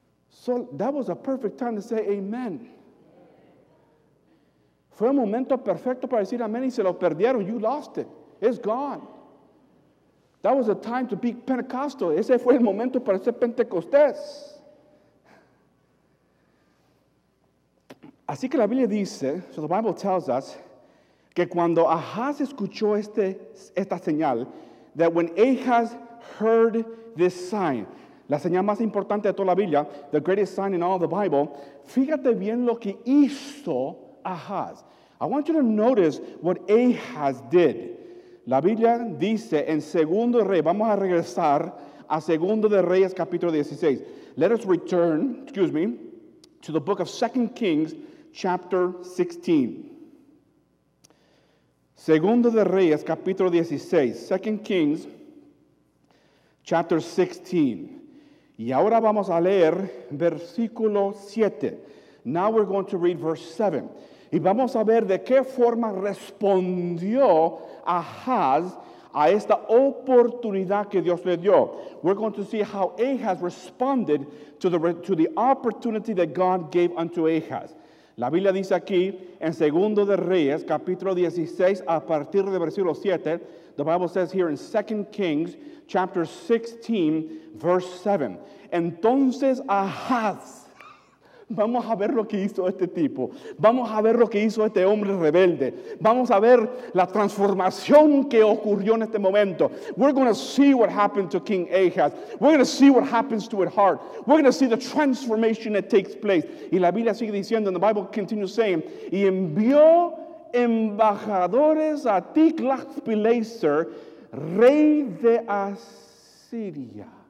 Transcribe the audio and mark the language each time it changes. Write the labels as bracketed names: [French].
[English] So that was a perfect time to say amen. [Spanish] Fue un momento perfecto para decir amén y se lo perdieron. [English] You lost it. It's gone. That was a time to be Pentecostal. [Spanish] Ese fue el momento para ser Pentecostés. Así que la Biblia dice, [English] so the Bible tells us, [Spanish] que cuando Ahaz escuchó esta señal, [English] that when Ahaz heard this sign, [Spanish] La señal más importante de toda la Biblia, [English] the greatest sign in all the Bible, [Spanish] fíjate bien lo que hizo Ahaz. [English] I want you to notice what Ahaz did. [Spanish] La Biblia dice en Segundo Rey, vamos a regresar a Segundo de Reyes capítulo 16. [English] Let us return, excuse me, to the book of 2 Kings chapter 16. [Spanish] Segundo de Reyes capítulo 16, [English] 2 Kings chapter 16. [Spanish] Y ahora vamos a leer versículo 7. [English] Now we're going to read verse 7. [Spanish] Y vamos a ver de qué forma respondió Ahaz a esta oportunidad que Dios le dio. [English] We're going to see how Ahaz responded to the opportunity that God gave unto Ahaz. [Spanish] La Biblia dice aquí, en Segundo de Reyes, capítulo 16, a partir de versículo 7, [English] the Bible says here in 2 Kings, chapter 16, verse 7. [Spanish] Entonces Ahaz, vamos a ver lo que hizo este tipo, vamos a ver lo que hizo este hombre rebelde, vamos a ver la transformación que ocurrió en este momento. [English] We're going to see what happened to King Ahaz. We're going to see what happens to his heart. We're going to see the transformation that takes place. [Spanish] Y la Biblia sigue diciendo, [English] and the Bible continues saying, [Spanish] y envió embajadores a Tiglath-Pileser, rey de Asiria.